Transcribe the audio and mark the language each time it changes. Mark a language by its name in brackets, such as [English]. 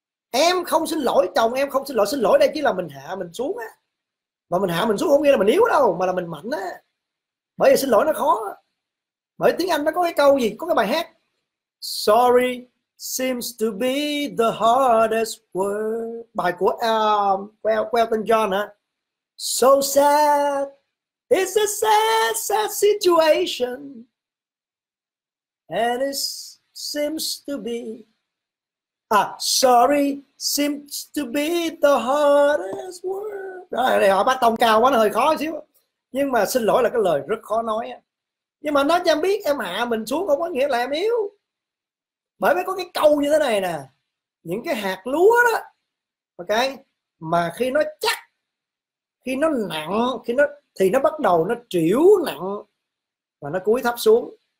[Vietnamese] Em không xin lỗi chồng em, không xin lỗi, xin lỗi đây chỉ là mình hạ mình xuống á, mà mình hạ mình xuống không nghĩa là mình yếu đâu, mà là mình mạnh á. Bởi vì xin lỗi nó khó, bởi tiếng Anh nó có cái câu gì, có cái bài hát Sorry seems to be the hardest word, bài của Elton John hả? [English] So sad, it's a sad, sad situation, and it seems to be sorry seems to be the hardest word. [Vietnamese] Đó, họ bắt tông cao quá, nó hơi khó xíu, nhưng mà xin lỗi là cái lời rất khó nói. Nhưng mà nói cho em biết, em hạ mình xuống không có nghĩa là em yếu. Bởi vì có cái câu như thế này nè, những cái hạt lúa đó, ok, mà khi nó chắc, khi nó nặng, khi nó thì nó bắt đầu nó trĩu nặng và nó cúi thấp xuống.